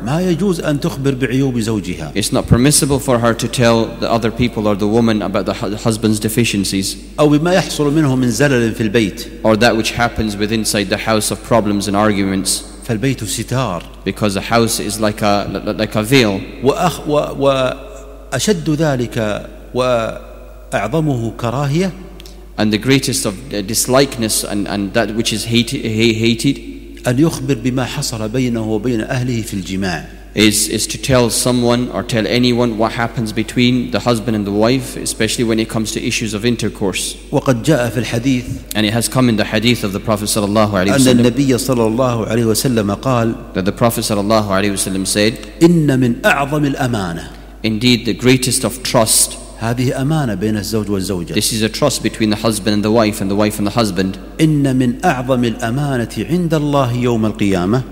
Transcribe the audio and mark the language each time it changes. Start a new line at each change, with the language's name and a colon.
Arabic: ما يجوز أن تخبر بعيوب زوجها.
English: It's not permissible for her to tell the other people or the woman about the husband's deficiencies.
Arabic: أو بما يحصل منه من زلل في البيت.
English: Or that which happens with inside the house of problems and arguments.
Arabic: فالبيت ستار.
English: Because a house is like a veil.
Arabic: وأشد ذلك وأعظمه كراهية.
English: And the greatest of dislikeness and that which is hated.
Arabic: أن يخبر بما حصل بينه وبين أهله في الجماع.
English: Is to tell someone or tell anyone what happens between the husband and the wife, especially when it comes to issues of intercourse.
Arabic: وقد جاء في الحديث.
English: And it has come in the hadith of the Prophet
Arabic: صلى الله عليه وسلم. أن النبي صلى الله عليه وسلم قال.
English: That the Prophet
Arabic: صلى الله عليه وسلم
English: said.
Arabic: إن من أعظم الأمانة.
English: Indeed, the greatest of trust.
Arabic: هذه أمانة بين الزوج والزوجة.
English: This is a trust between the husband and the wife, and the wife and the husband.
Arabic: إن من أعظم الأمانة عند الله يوم القيامة.